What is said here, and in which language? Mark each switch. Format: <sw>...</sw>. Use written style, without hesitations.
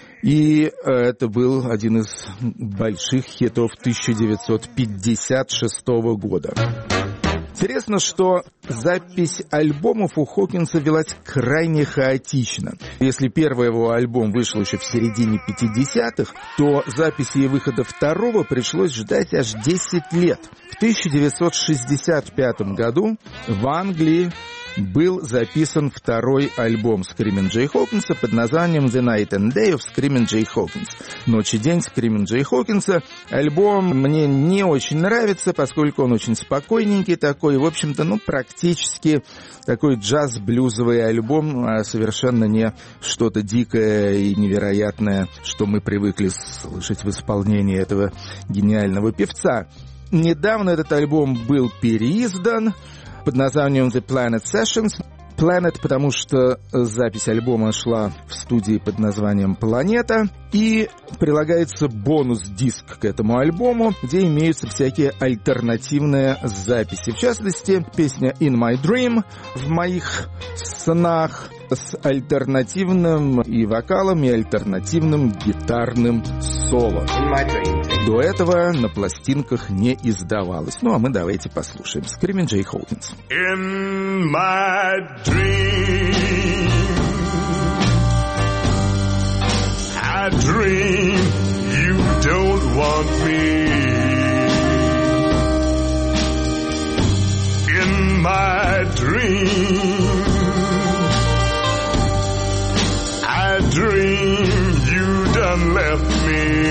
<ru>И это был один из больших хитов 1956 года. Интересно, что запись альбомов у Хокинса велась крайне хаотично. Если первый его альбом вышел еще в середине 50-х, то записи и выхода второго пришлось ждать аж 10 лет. В 1965 году в Англии был записан второй альбом Screamin' Jay Hawkins под названием «The Night and Day of Screamin' Jay Hawkins». «Ночь и день Screamin' Jay Hawkins». Альбом мне не очень нравится, поскольку он очень спокойненький такой, в общем-то, ну, практически такой джаз-блюзовый альбом, а совершенно не что-то дикое и невероятное, что мы привыкли слышать в исполнении этого гениального певца. Недавно этот альбом был переиздан под названием «The Planet Sessions». «Planet», потому что запись альбома шла в студии под названием «Планета». И прилагается бонус-диск к этому альбому, где имеются всякие альтернативные записи. В частности, песня «In My Dream» в моих снах с альтернативным и вокалом, и альтернативным гитарным соло. До этого на пластинках не издавалось. Ну, а мы давайте послушаем Screamin' Jay Hawkins.</ru> <en>In my dream, I dream you don't want me. In my dream, dream you done left me.</en>